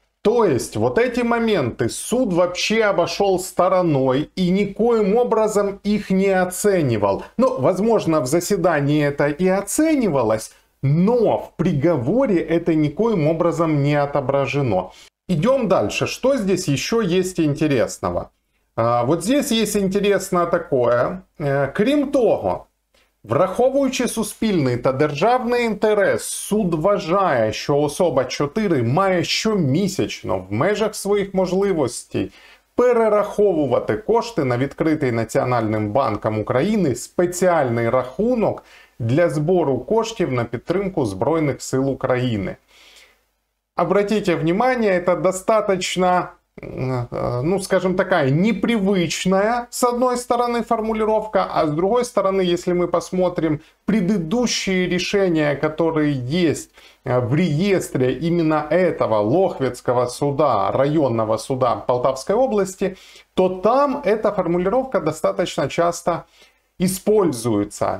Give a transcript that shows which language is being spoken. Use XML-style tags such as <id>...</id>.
<ru>То есть, вот эти моменты суд вообще обошел стороной и никоим образом их не оценивал. Ну, возможно, в заседании это и оценивалось, но в приговоре это никоим образом не отображено. Идем дальше. Что здесь еще есть интересного? Вот здесь есть интересное такое.</ru> <uk>Крім того, враховуючи суспільний та державний інтерес, суд вважає, що особа 4 має щомісячно в межах своїх можливостей перераховувати кошти на відкритий Національним банком України спеціальний рахунок для збору коштів на підтримку Збройних сил України.</uk> <ru>Обратите внимание, это достаточно, ну, скажем, такая непривычная, с одной стороны, формулировка, а с другой стороны, если мы посмотрим предыдущие решения, которые есть в реестре именно этого Лохвицкого суда, районного суда Полтавской области, то там эта формулировка достаточно часто используется.</ru>